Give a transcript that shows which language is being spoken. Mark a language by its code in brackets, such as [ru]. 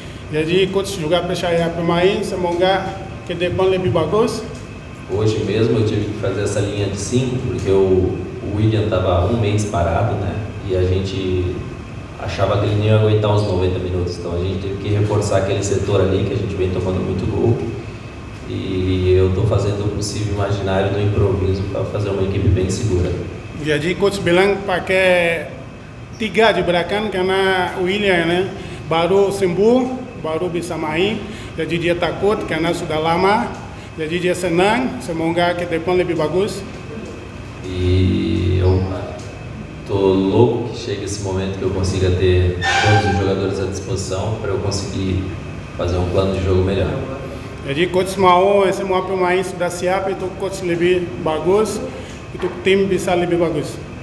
[id] Jadi coach juga percaya pemain, semoga ke depan lebih bagus. [pt] Hoje mesmo eu tive que fazer essa linha de 5, porque o William estava um mês parado, né? E a gente achava que ele não ia aguentar uns 90 minutos. Então a gente teve que reforçar aquele setor ali, que a gente vem tomando muito gol. E eu estou fazendo o possível imaginário no improviso para fazer uma equipe bem segura. [id] Jadi coach bilang pakai 3 de belakang, karena William, né? Baru sembuh. Baru bisa main, jadi dia takut karena sudah lama, jadi dia senang, semoga ke depan lebih bagus. [pt] E eu tô louco que chegue esse momento que eu consiga ter todos os jogadores à disposição para eu conseguir fazer um plano de jogo melhor. [id] Jadi coach mau esse mau pemain sudah siap untuk coach lebih bagus, untuk tim bisa lebih bagus.